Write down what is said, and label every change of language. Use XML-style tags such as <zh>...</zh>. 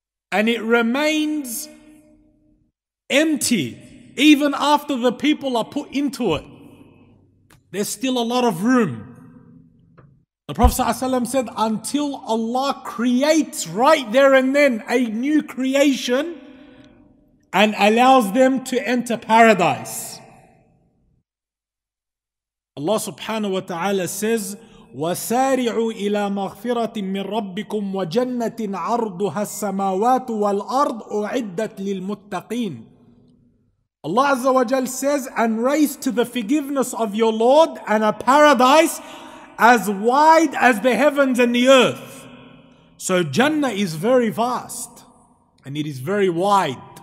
<en>And it remains empty even after the people are put into it. There's still a lot of room. The Prophet ﷺ said, until Allah creates right there and then a new creation and allows them to enter paradise. Allah subhanahu wa ta'ala says,</en> <ar>وَسَارِعُوا إِلَى مَغْفِرَةٍ مِّن رَبِّكُمْ وَجَنَّةٍ عَرْضُهَا السَّمَاوَاتُ وَالْأَرْضُ أُعِدَّتْ لِلْمُتَّقِينَ.</ar> <en>Allah Azza wa Jal says, and race to the forgiveness of your Lord and a paradise as wide as the heavens and the earth. So Jannah is very vast and it is very wide.</en>